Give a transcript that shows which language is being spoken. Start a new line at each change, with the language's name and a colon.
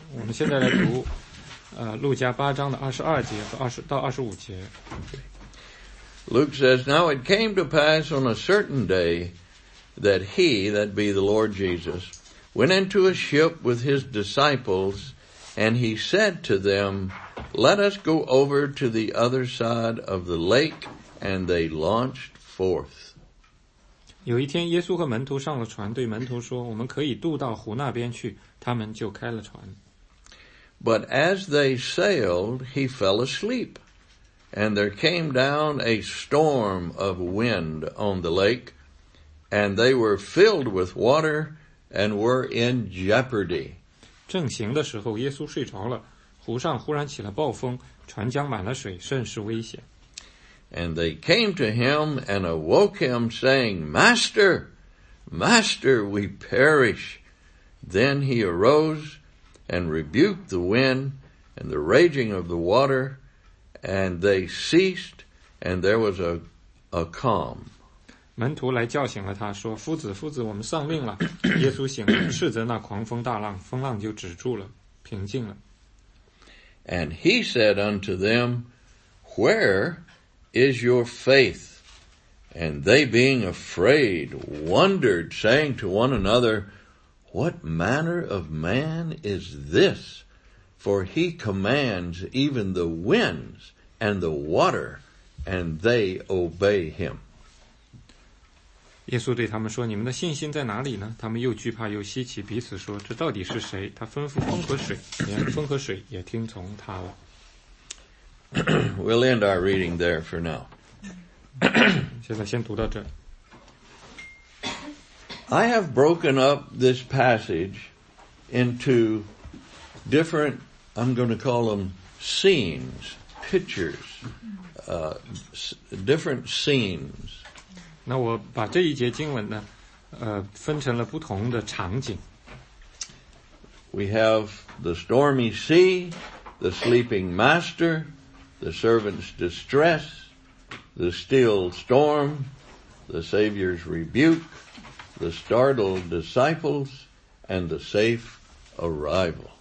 Chinese: 我们现在来读路加八章的22节到25节。
English: Luke says, Now it came to pass on a certain day that he, that be the Lord Jesus, went into a ship with his disciples, and he said to them, Let us go over to the other side of the lake, and they launched forth.
Chinese: 有一天耶稣和门徒上了船，对门徒说，我们可以渡到湖那边去，他们就开了船。
English: But as they sailed, he fell asleep, and there came down a storm of wind on the lake, and they were filled with water and were in jeopardy.
Chinese: 正行的时候，耶稣睡着了，湖上忽然起了暴风，船将满了水，甚是危险。
English: And they came to him and awoke him, saying, Master, Master, we perish. Then he arose, and rebuked the wind and the raging of the water, and they ceased, and there was a calm.
Chinese: 门徒来叫醒了他，说，夫子，夫子，我们丧命了。耶稣醒了，斥责那狂风大浪，风浪就止住了，平静了。
English: And he said unto them, Where is your faith? And they being afraid, wondered, saying to one another, What manner of man is this? For he commands even the winds and the water, and they obey him.
Chinese: 耶稣对他们说，你们的信心在哪里呢？他们又惧怕又稀奇，彼此说，这到底是谁？他吩咐风和水，连风和水也听从他了。
English: We'll end our reading there for now.
Chinese: 现在先读到这。
English: I have broken up this passage into different, I'm going to call them scenes, pictures, different scenes.
Chinese: 那我把这一节经文呢，分成了不同的场景。
English: We have the stormy sea, the sleeping master, the servant's distress, the still storm, the Savior's rebuke,The startled disciples and the safe arrival.